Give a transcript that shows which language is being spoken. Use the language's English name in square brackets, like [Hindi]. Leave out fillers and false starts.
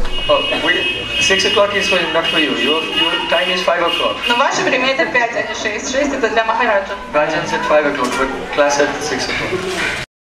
[English] Oh, 6 o'clock is for, not for you. Your time is 5 o'clock. [Russian] Но ваше время это 5, а не 6. 6 это для Махараджа. [English] Bhajan's at 5 o'clock, but class at 6 o'clock.